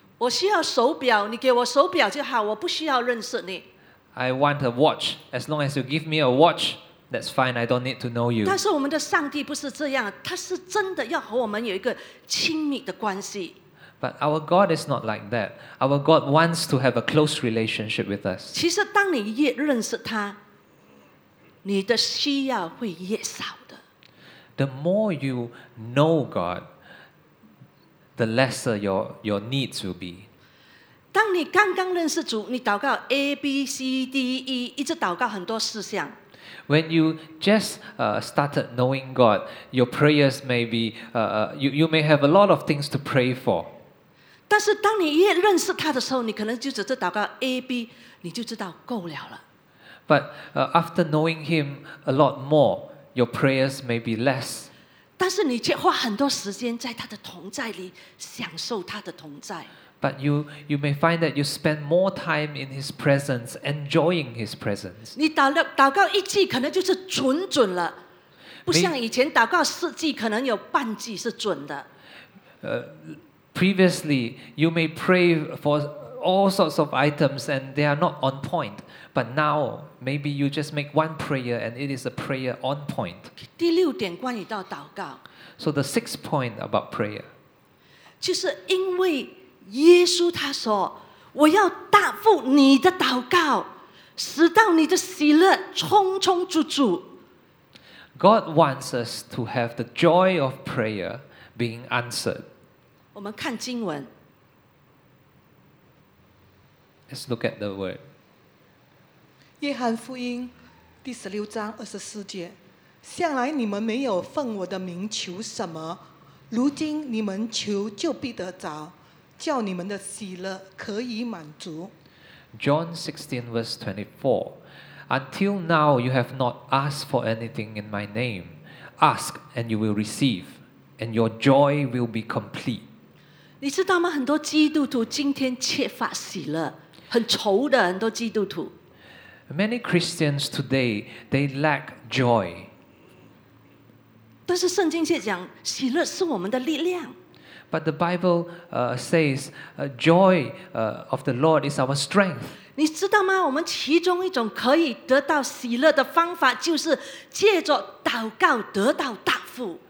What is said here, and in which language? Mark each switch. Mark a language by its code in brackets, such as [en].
[zh] 我需要手表，你给我手表就好，我不需要认识你。 [en] I want a watch. As long as you give me a watch. That's fine, I don't need to know you. [zh] 但是我们的上帝不是这样，他是真的要和我们有一个亲密的关系。 [en] But our God is not like that. Our God wants to have a close relationship with us. [zh] 其实当你越认识他，你的需要会越少的。 [en] The more you know God, the lesser your needs will be. [zh] 当你刚刚认识主，你祷告 A, B, C, D, E, 一直祷告很多事项。 [en] When you just started knowing God, your prayers may be you may have a lot of things to pray for. [zh] 但是当你越认识他的时候，你可能就只是祷告 A B， 你就知道够了了。 [en] But after knowing Him a lot more, your prayers may be less. [zh] 但是你却花很多时间在他的同在里享受他的同在。 [en] But you may find that you spend more time in His presence, enjoying His presence. [zh] 你祷告一季可能就是准准了，不像以前祷告四季可能有半季是准的。 [en] Previously, you may pray for all sorts of items and they are not on point. But now, maybe you just make one prayer and it is a prayer on point. [zh] 第六点关于到祷告。 [en] So the sixth point about prayer. [zh] 就是因为耶稣他说，我要答复你的祷告，使到你的喜乐充充足足。 [en] God wants us to have the joy of prayer being answered. [zh] 我们看经文。 [en] Let's look at the word. [zh] 约翰福音第16:24，向来你们没有奉我的名求什么，如今你们求就必得着。叫你们的喜乐可以满足。 [en] John 16:24 Until now you have not asked for anything in my name. Ask and you will receive, and your joy will be complete. [zh] 你知道吗？很多基督徒今天缺乏喜乐，很愁的很多基督徒。 [en] Many Christians today, they lack joy. [zh] 但是圣经却讲,喜乐是我们的力量。 [en] But the Bible says, joy of the Lord is our strength. [zh] 你知道吗? 我们其中一种可以得到喜乐的方法就是借着祷告得到答复。